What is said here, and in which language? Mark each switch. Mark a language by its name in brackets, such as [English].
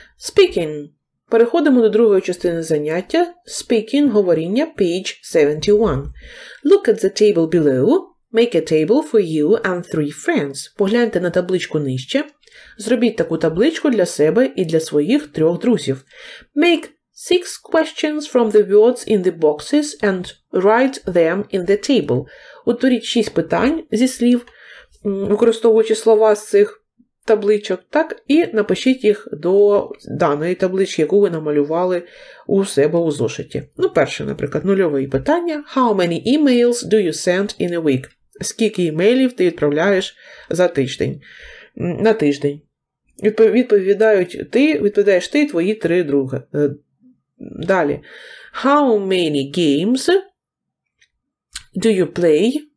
[Ukrainian] Speaking. Переходимо до другої частини заняття – speaking, говоріння, [English] page 71. Look at the table below. Make a table for you and three friends. [Ukrainian] Погляньте на табличку нижче. Зробіть таку табличку для себе і для своїх трьох друзів. [English] Make six questions from the words in the boxes and write them in the table. [Ukrainian] Утворіть шість питань зі слів, використовуючи слова з цих табличок, так, і напишіть їх до даної таблички, яку ви намалювали у себе у зошиті. Ну, перше, наприклад, нульове питання. [English] How many emails do you send in a week? [Ukrainian] Скільки емейлів ти відправляєш за тиждень? На тиждень. Відповідаєш ти і твої три друга. Далі. [English] How many games do you play?